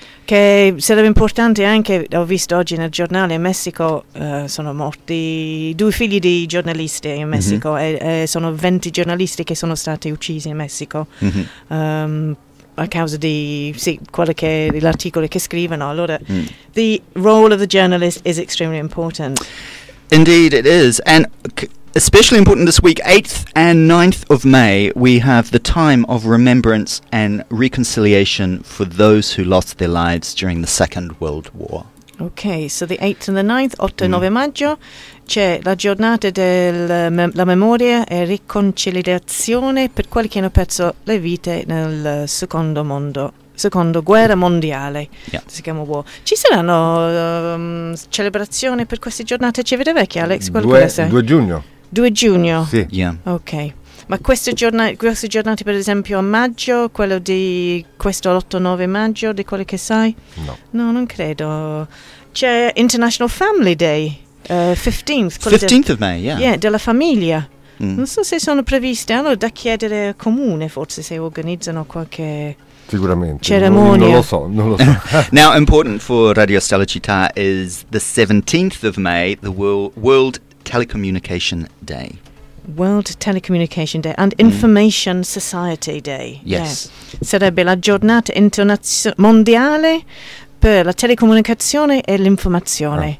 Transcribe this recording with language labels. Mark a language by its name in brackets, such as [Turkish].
[Italian] Che sarebbe importante anche, ho visto oggi nel giornale, in Messico sono morti due figli di giornalisti in Messico, e sono 20 giornalisti che sono stati uccisi in Messico a causa di l'articolo che scrivono. Allora, [English] the role of the journalist is extremely important. Indeed it is, and especially important this week, 8th and 9th of May, we have the time of remembrance and reconciliation for those who lost their lives during the Second World War. Okay, so the 8th and the 9th, [Italian] 8 e 9 maggio, c'è la giornata della memoria e riconciliazione per quelli che hanno perso le vite nel secondo mondo. Secondo guerra mondiale, si chiama war. Ci saranno celebrazioni per queste giornate civile vecchie, Alex? Qualcosa? 2 giugno. 2 giugno? Sì. [English] Yeah. [Italian] Ok. Ma queste giornate, per esempio, a maggio, quello di questo 8-9 maggio, di quelli che sai? No. No, non credo. C'è [English] International Family Day, 15th. 15th of May, yeah. [Italian] Yeah, della famiglia. Mm. Non so se sono previste, allora da chiedere al comune, forse, se organizzano qualche... Sicuramente. Cerimonia. Non lo so. [English] Now, important for Radio Stella Città is the 17th of May, the World Telecommunication Day. World Telecommunication Day and Information Society Day. Yes. Yeah. [Italian] Sarebbe la giornata mondiale per la telecomunicazione e l'informazione.